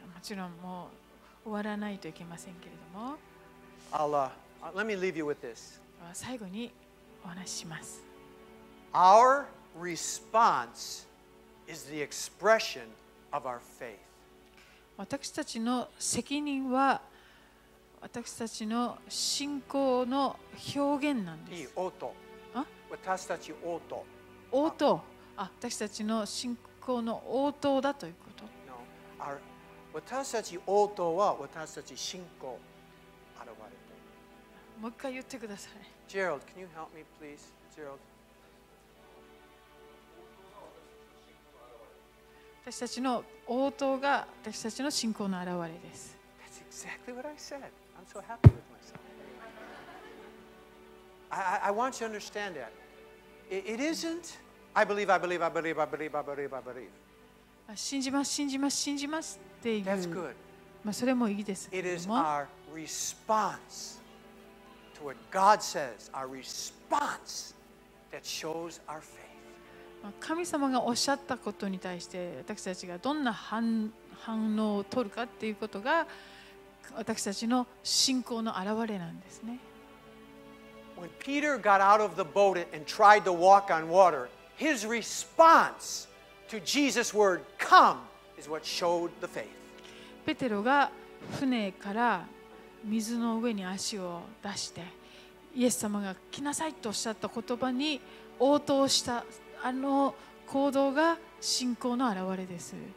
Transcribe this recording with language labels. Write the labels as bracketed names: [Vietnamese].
[Japanese] もちろんもう終わらないといけませんけれども。 [English] Let me leave you with this. [Japanese] 最後にお話しします。 [English] Our response is the expression of our faith. [Japanese] 私たちの責任は私たちの信仰の表現なんです。いい音。私たち応答。応答。あ、私たちの信仰の応答だということ。 [English] No. [Japanese] 私たち応答は私たち信仰現れて。もう一回言ってください。 [English] Gerald, can you help me, please? Gerald. [Japanese] 私たちの応答が私たちの信仰の現れです。 [English] That's exactly what I said. I'm so happy with myself. I want you to understand that. It isn't. I believe. I believe. I believe. I believe. I believe. I believe. [Japanese] 信じます信じます信じますっていう。 [English] That's good. [Japanese] まあそれもいいですけども。 [English] It is our response to what God says. Our response that shows our faith. [Japanese] 神様がおっしゃったことに対して私たちがどんな反応を取るかっていうことが私たちの信仰の表れなんですね。 [English] When Peter got out of the boat and tried to walk on water, his response to Jesus' word, "Come," is what showed the faith. [Japanese] ペテロが船から水の上に足を出して、イエス様が来なさいとおっしゃった言葉に応答したあの行動が信仰の表れです。